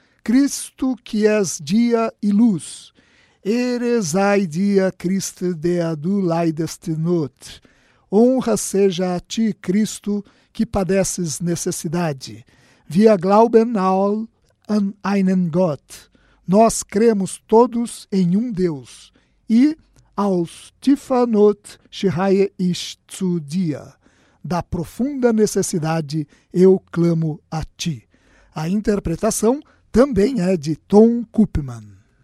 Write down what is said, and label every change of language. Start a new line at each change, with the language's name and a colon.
Portuguese: Cristo, que és dia e luz.
German: Ere sei dir, Christ, der du leidest Not.
Portuguese: Honra seja a ti, Cristo, que padeces necessidade.
German: Wir glauben all an einen Gott.
Portuguese: Nós cremos todos em um Deus.
German: E aus tiefer Not schreie ich zu dir.
Portuguese: Da profunda necessidade, eu clamo a ti. A interpretação também é de Tom Koopman.